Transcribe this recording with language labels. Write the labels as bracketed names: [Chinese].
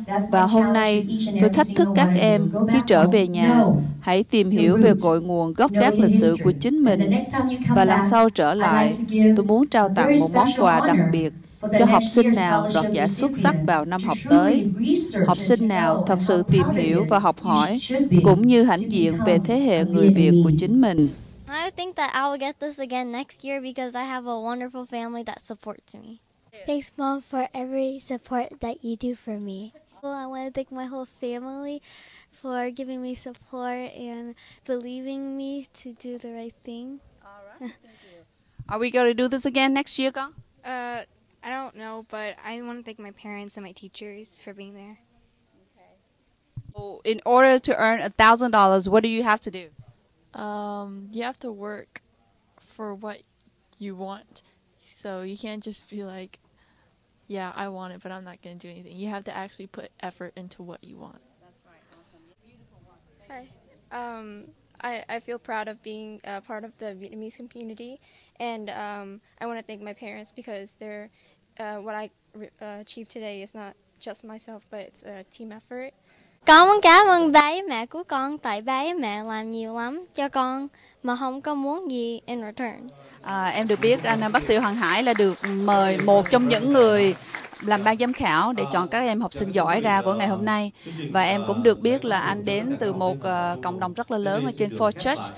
[Vietnamese] Và hôm nay, tôi thách thức các em khi trở về nhà, hãy tìm hiểu về cội nguồn gốc gác lịch sử của chính mình. Và lần sau trở lại, tôi muốn trao tặng một món quà đặc biệt cho học sinh nào đoạt giải xuất sắc vào năm học tới, học sinh nào thật sự tìm hiểu và học hỏi, cũng như hãnh diện về thế hệ người Việt của chính mình. [English] I think that I will get this again next year because I have a wonderful family that supports me. Thanks, Mom, for every support that you do for me. Well, I want to thank my whole family for giving me support and believing me to do the right thing. All right, thank you. Are we going to do this again next year, con? I don't know, but I want to thank my parents and my teachers for being there. Okay. So in order to earn $1,000, what do you have to do? You have to work for what you want. So you can't just be like, yeah, I want it, but I'm not going to do anything. You have to actually put effort into what you want. That's right. Awesome. Beautiful one. Hi. I feel proud of being a part of the Vietnamese community, and I want to thank my parents because they're what I achieved today is not just myself, but it's a team effort. [Vietnamese] Con muốn cảm ơn ba mẹ của con tại ba mẹ làm nhiều lắm cho con mà không có muốn gì [English] in return. [Vietnamese] Em được biết anh bác sĩ Hoàng Hải là được mời một trong những người làm ban giám khảo để chọn các em học sinh giỏi ra của ngày hôm nay. Và em cũng được biết là anh đến từ một cộng đồng rất là lớn ở trên Fort Church.